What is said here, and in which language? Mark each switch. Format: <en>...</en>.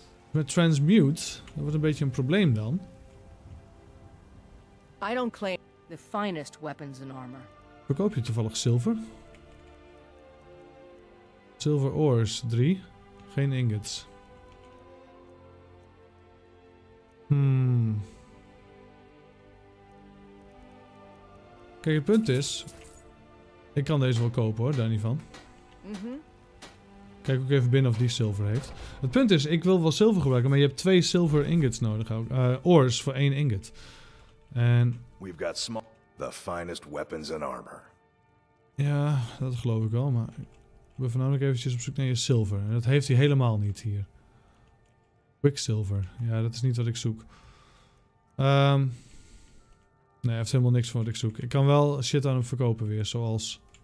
<nl>Met transmute, dat wordt een beetje een probleem dan.</nl> <en>I don't claim the finest weapons and armor.</en> <nl>Verkoop je toevallig zilver? Silver ores, 3. Geen ingots. Kijk, het punt is... Ik kan deze wel kopen hoor, daar niet van. Kijk ook even binnen of die zilver heeft. Het punt is, ik wil wel zilver gebruiken, maar je hebt 2 zilver ingots nodig. Ores voor 1 ingot. En...</nl> <en>We've got small, the finest weapons and armor.</en> <nl>Ja, dat geloof ik wel, maar... Ik ben voornamelijk eventjes op zoek naar je zilver. En dat heeft hij helemaal niet hier. Quicksilver. Ja, dat is niet wat ik zoek. Nee, hij heeft helemaal niks van wat ik zoek. Ik kan wel shit aan hem verkopen weer, zoals...</nl>